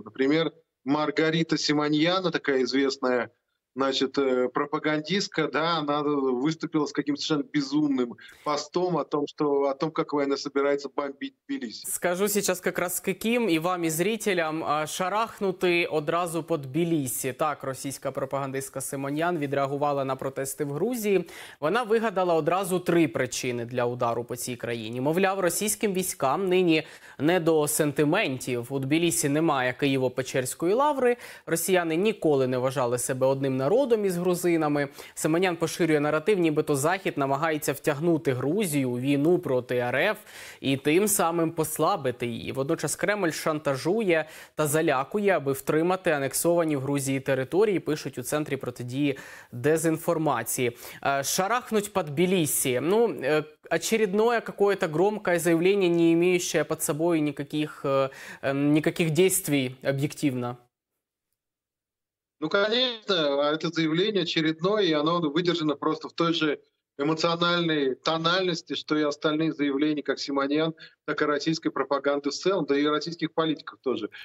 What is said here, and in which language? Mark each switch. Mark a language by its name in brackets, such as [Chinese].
[Russian] Например, Маргарита Симоньяна, такая известная, значит, пропагандистка, да, она выступила с каким-то совершенно безумным постом о том, как война собирается бомбить Тбилиси. Скажу сейчас как раз каким и вам, и зрителям, шарахнуты одразу под Тбилиси. [Ukrainian] Так, російська пропагандистка Симоньян відреагувала на протести в Грузії. Вона вигадала одразу три причини для удару по цій країні. Мовляв, російським військам нині не до сентиментів. У Тбилиси немає Києво-Печерської лаври. Росіяни ніколи не вважали себе одним народом із грузинами. Симоньян поширює наратив, нібито Захід намагається втягнути Грузію у війну проти РФ і тим самим послабити її. Водночас Кремль шантажує та залякує, аби втримати анексовані в Грузії території, пишуть у Центрі протидії дезінформації. [Russian] Шарахнуть по Тбилиси. Ну, очередное какое-то громкое заявление, не имеющее под собой никаких действий объективно. Ну, конечно, это заявление очередное, и оно выдержано просто в той же эмоциональной тональности, что и остальные заявления, как Симоньян, так и российской пропаганды в целом, да и российских политиков тоже.